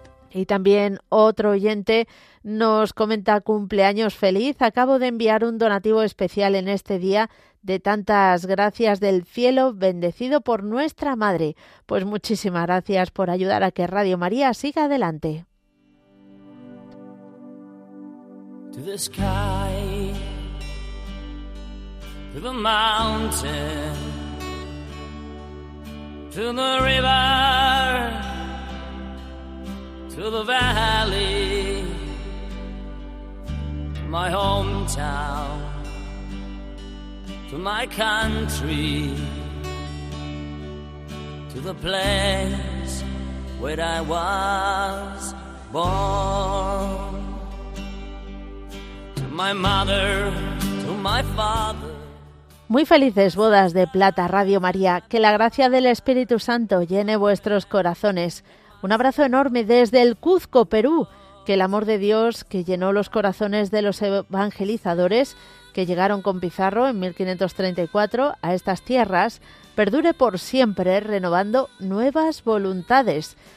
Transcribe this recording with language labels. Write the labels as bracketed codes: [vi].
[es] Y también otro oyente nos comenta: cumpleaños feliz, acabo de enviar un donativo especial en este día de tantas gracias del cielo, bendecido por nuestra madre. Pues muchísimas gracias por ayudar a que Radio María siga adelante. [en] To the sky, to the mountain, to the river, to the valley, my hometown, to my country, to the place where I was born, to my mother, to my father. [es] Muy felices bodas de plata, Radio María. Que la gracia del Espíritu Santo llene vuestros corazones. Un abrazo enorme desde el Cuzco, Perú. Que el amor de Dios, que llenó los corazones de los evangelizadores que llegaron con Pizarro en 1534 a estas tierras, perdure por siempre, renovando nuevas voluntades.